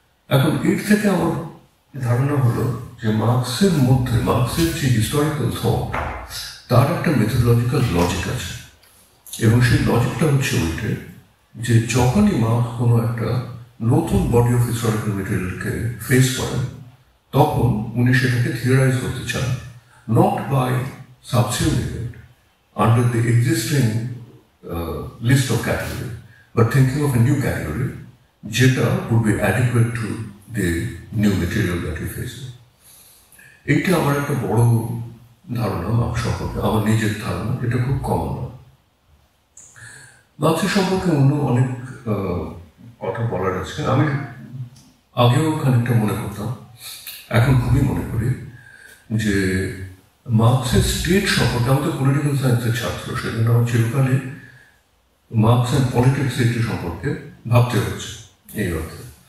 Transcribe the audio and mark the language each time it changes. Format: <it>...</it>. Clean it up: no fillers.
<bn>এখন এর থেকে আমার ধারণা হলো যে মার্ক্সের মধ্যে মার্ক্সের যে হিস্টোরিক্যাল থট তার একটা মেথোডোলজিক্যাল লজিক আছে, এবং সেই লজিকটা হচ্ছে ওইটে যে যখনই মার্ক্স কোনো একটা নতুন বডি অফ হিস্টোরিক্যাল মেটেরিয়ালকে ফেস করেন তখন উনি সেটাকে থিওরাইজ করতে চান,</bn> <en>not by subsuming it under the existing list of category, but thinking of a new category,</en> <bn>jeta</bn> <en>would be adequate to the new material that we face.</en> <bn>এটা আমার একটা বড় ধারণা মার্ক্সের সম্পর্কে, আমার নিজের ধারণা, এটা খুব কমন না। মার্ক্সের সম্পর্কে অন্য অনেক কথা বলার আছে। আমি আগেও খানিকটা মনে করতাম, এখন খুবই মনে করি যে মার্ক্সের স্টেট সম্পর্কে, আমি তো পলিটিক্যাল সায়েন্সের ছাত্র, সেজন্য আমার চিরকালে মার্ক্স অ্যান্ড পলিটিক্স এটি সম্পর্কে ভাবতে হচ্ছে এই অর্থে।</bn>